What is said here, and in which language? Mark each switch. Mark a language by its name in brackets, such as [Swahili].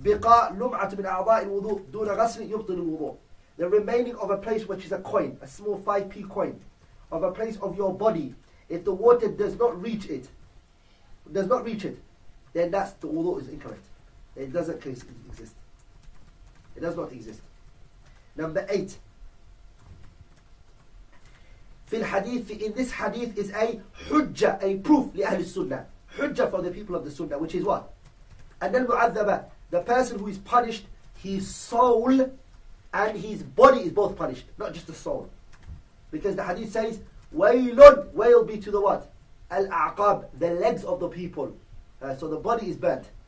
[Arabic] بقاء لمعة من أعضاء الوضوء دون غسل يبطل الوضوء. [English] The remaining of a place which is a coin, a small 5p coin, of a place of your body, if the water does not reach it, then that's the wudu is incorrect. It doesn't exist. It does not exist. Number eight. [Arabic] في الحديث, [English] in this hadith is a حجة, a proof لأهل السنة. حجة for the people of the Sunnah, which is what? [Arabic] أن المعذبة, [English] the person who is punished, his soul and his body is both punished, not just the soul. Because the hadith says, وَيْلٌ, wail be to the what? الْأَعْقَابِ, the legs of the people. So the body is burnt.